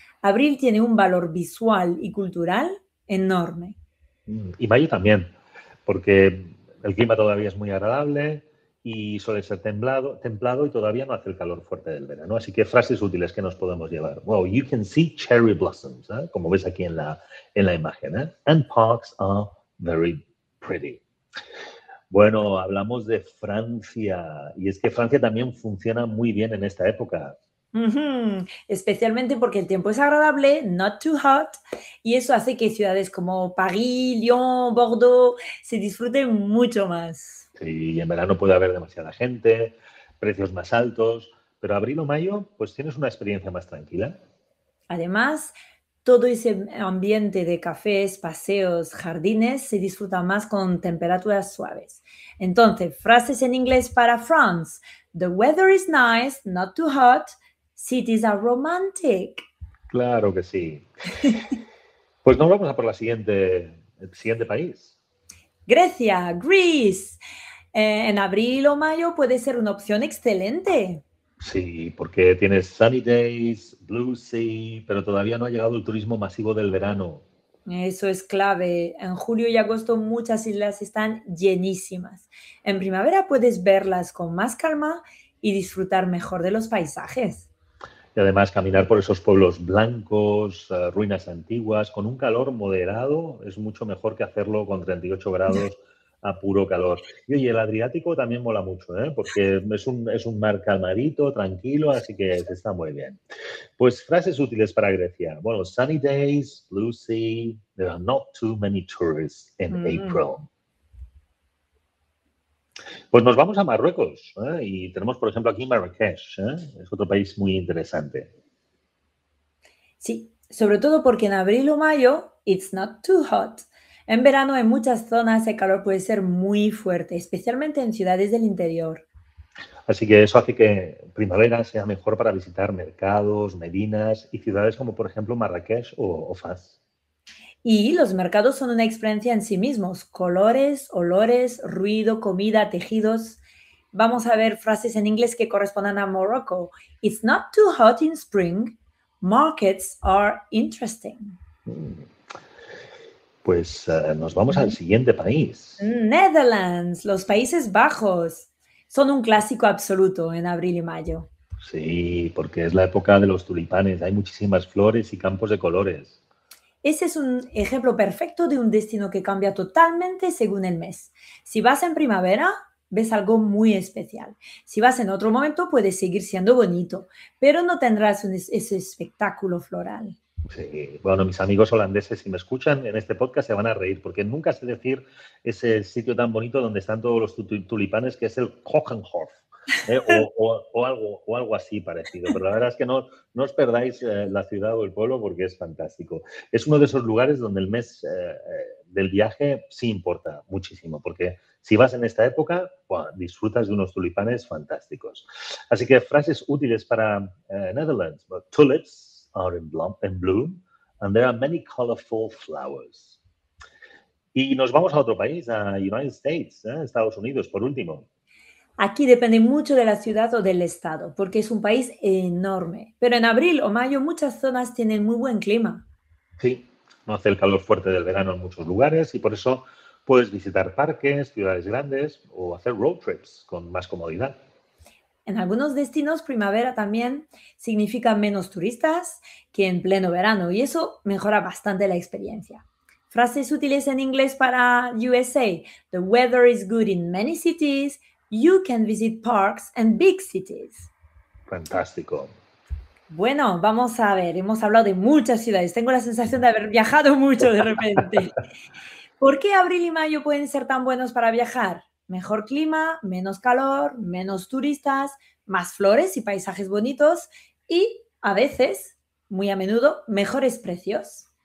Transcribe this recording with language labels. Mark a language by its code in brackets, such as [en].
[es] Abril tiene un valor visual y cultural enorme. Y mayo también, porque el clima todavía es muy agradable y suele ser templado y todavía no hace el calor fuerte del verano. Así que frases útiles que nos podemos llevar. Wow, you can see cherry blossoms, ¿eh? Como ves aquí en la imagen, ¿eh? [en] And parks are very pretty. [es] Bueno, hablamos de Francia. Y es que Francia también funciona muy bien en esta época. Especialmente porque el tiempo es agradable, not too hot, y eso hace que ciudades como París, Lyon, Bordeaux se disfruten mucho más. Sí, y en verano puede haber demasiada gente, precios más altos, pero abril o mayo, pues tienes una experiencia más tranquila. Además, todo ese ambiente de cafés, paseos, jardines se disfruta más con temperaturas suaves. Entonces, frases en inglés para France. [en] The weather is nice, not too hot. Cities are romantic. [es] Claro que sí. Pues nos vamos a por el siguiente país. Grecia, Greece. En abril o mayo puede ser una opción excelente. Sí, porque tienes sunny days, blue sea, pero todavía no ha llegado el turismo masivo del verano. Eso es clave. En julio y agosto muchas islas están llenísimas. En primavera puedes verlas con más calma y disfrutar mejor de los paisajes. Y además caminar por esos pueblos blancos, ruinas antiguas, con un calor moderado, es mucho mejor que hacerlo con 38 grados a puro calor. Y oye, el Adriático también mola mucho, ¿eh? Porque es un mar calmadito, tranquilo, así que se está muy bien. Pues frases útiles para Grecia. [en] Bueno, sunny days, blue sea, there are not too many tourists in April. [es] Pues nos vamos a Marruecos, ¿eh? Y tenemos, por ejemplo, aquí Marrakech, ¿eh? Es otro país muy interesante. Sí, sobre todo porque en abril o mayo, it's not too hot. En verano, en muchas zonas, el calor puede ser muy fuerte, especialmente en ciudades del interior. Así que eso hace que primavera sea mejor para visitar mercados, medinas y ciudades como, por ejemplo, Marrakech o Fas. Y los mercados son una experiencia en sí mismos. Colores, olores, ruido, comida, tejidos. Vamos a ver frases en inglés que correspondan a Morocco. [en] It's not too hot in spring. Markets are interesting. [es] Pues nos vamos al siguiente país. Netherlands, los Países Bajos. Son un clásico absoluto en abril y mayo. Sí, porque es la época de los tulipanes. Hay muchísimas flores y campos de colores. Ese es un ejemplo perfecto de un destino que cambia totalmente según el mes. Si vas en primavera, ves algo muy especial. Si vas en otro momento, puede seguir siendo bonito, pero no tendrás ese espectáculo floral. Sí, bueno, mis amigos holandeses, si me escuchan en este podcast, se van a reír, porque nunca sé decir ese sitio tan bonito donde están todos los tulipanes, que es el Hogenhof. O algo así parecido, pero la verdad es que no os perdáis la ciudad o el pueblo porque es fantástico. Es uno de esos lugares donde el mes del viaje sí importa muchísimo, porque si vas en esta época, pues, disfrutas de unos tulipanes fantásticos. Así que frases útiles para Netherlands. [en] Tulips are in bloom and there are many colorful flowers. [es] Y nos vamos a otro país, a United States, Estados Unidos, por último. Aquí depende mucho de la ciudad o del estado, porque es un país enorme. Pero en abril o mayo muchas zonas tienen muy buen clima. Sí, no hace el calor fuerte del verano en muchos lugares y por eso puedes visitar parques, ciudades grandes o hacer road trips con más comodidad. En algunos destinos primavera también significa menos turistas que en pleno verano y eso mejora bastante la experiencia. Frases útiles en inglés para USA. [en] The weather is good in many cities. You can visit parks and big cities. [es] Fantástico. Bueno, vamos a ver, hemos hablado de muchas ciudades. Tengo la sensación de haber viajado mucho de repente. ¿Por qué abril y mayo pueden ser tan buenos para viajar? Mejor clima, menos calor, menos turistas, más flores y paisajes bonitos y, a veces, muy a menudo, mejores precios.